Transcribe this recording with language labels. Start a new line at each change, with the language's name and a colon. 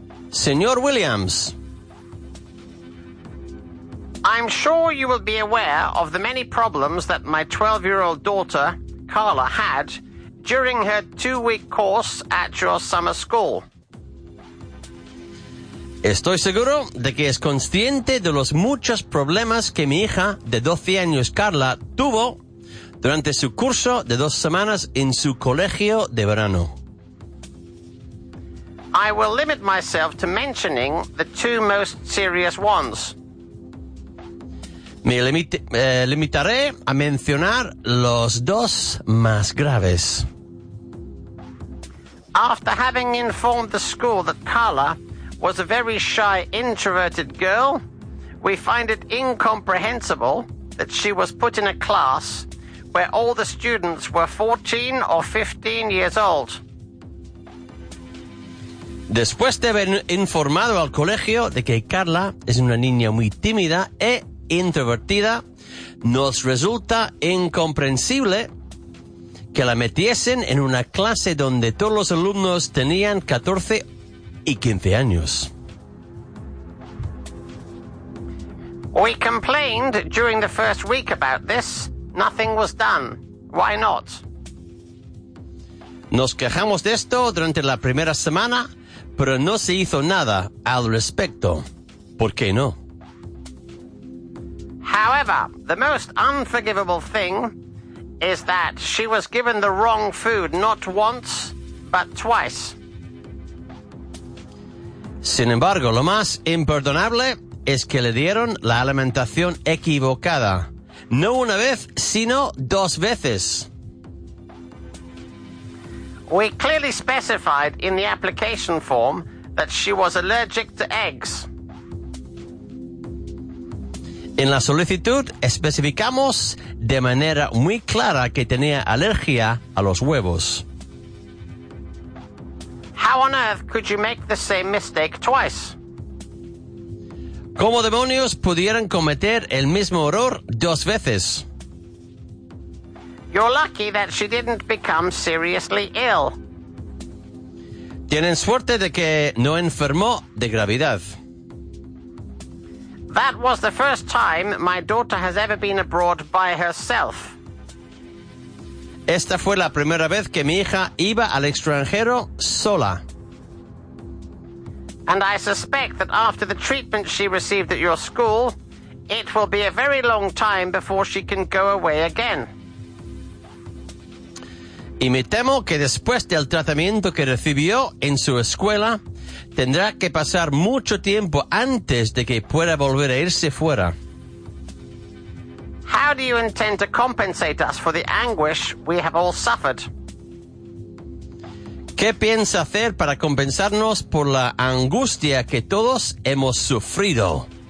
Spanish: Señor Williams.
English: I'm sure you will be aware of the many problems that my 12-year-old daughter, Carla, had during her two-week course at your summer school.
Spanish: Estoy seguro de que es consciente de los muchos problemas que mi hija de 12 años, Carla, tuvo durante su curso de 2 semanas en su colegio de verano.
English: I will limit myself to mentioning the two most serious ones.
Spanish: Me limitaré a mencionar los dos más graves.
English: After having informed the school that Carla was a very shy, introverted girl, we find it incomprehensible that she was put in a class where all the students were 14 or 15 years old.
Spanish: Después de haber informado al colegio de que Carla es una niña muy tímida e introvertida, nos resulta incomprensible que la metiesen en una clase donde todos los alumnos tenían 14 y 15 años.
English: We complained during the first week about this. Nothing was done. Why not?
Spanish: Nos quejamos de esto durante la primera semana, pero no se hizo nada al respecto. ¿Por qué no?
English: However, the most unforgivable thing is that she was given the wrong food not once, but twice.
Spanish: Sin embargo, lo más imperdonable es que le dieron la alimentación equivocada. No una vez, sino dos veces.
English: We clearly specified in the application form that she was allergic to eggs.
Spanish: En la solicitud especificamos de manera muy clara que tenía alergia a los huevos.
English: How on earth could you make the same mistake twice?
Spanish: ¿Cómo demonios pudieran cometer el mismo error dos veces?
English: You're lucky that she didn't become seriously ill.
Spanish: Tienen suerte de que no enfermó de gravedad.
English: That was the first time my daughter has ever been abroad by herself.
Spanish: Esta fue la primera vez que mi hija iba al extranjero sola.
English: And I suspect that after the treatment she received at your school, it will be a very long time before she can go away again.
Spanish: Y me temo que después del tratamiento que recibió en su escuela, tendrá que pasar mucho tiempo antes de que pueda volver a irse fuera.
English: How do you intend to compensate us for the anguish we have all suffered?
Spanish: ¿Qué piensa hacer para compensarnos por la angustia que todos hemos sufrido?